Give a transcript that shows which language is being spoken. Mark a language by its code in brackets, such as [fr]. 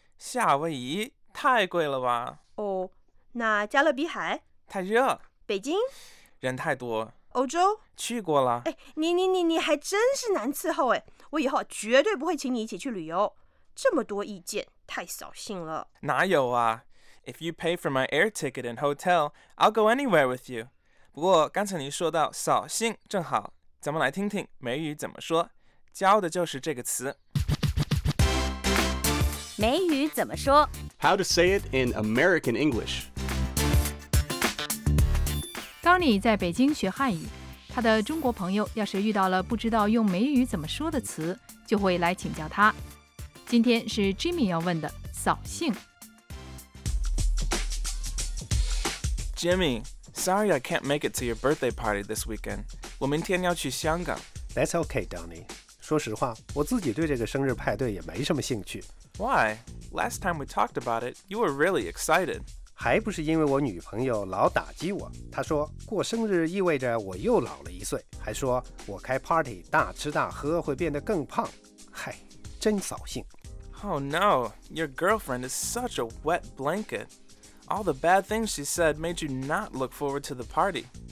[zh] 夏威夷太贵了吧？哦，那加勒比海太热。北京人太多。欧洲去过了。哎，你还真是难伺候哎！我以后绝对不会请你一起去旅游，这么多意见太扫兴了。哪有啊？ [en] If you pay for my air ticket and hotel, I'll go anywhere with you. [zh] 不过刚才你说到扫兴，正好咱们来听听美语怎么说，教的就是这个词。美语怎么说 [en] ？How to say it in American English? [zh] Donnie 在北京学汉语，他的中国朋友要是遇到了不知道用美语怎么说的词，就会来请教他。今天是 Jimmy 要问的扫兴。 [en] Jimmy, sorry I can't make it to your birthday party this weekend. [zh] 我明天要去香港。 [en] That's okay, Donnie. [zh] 说实话，我自己对这个生日派对也没什么兴趣。 [en] Why? Last time we talked about it, you were really excited. [zh] 还不是因为我女朋友老打击我。她说，过生日意味着我又老了一岁，还说我开 party 大吃大喝会变得更胖。嗨，真扫兴。 [en] Oh no, your girlfriend is such a wet blanket. All the bad things she said made you not look forward to the party.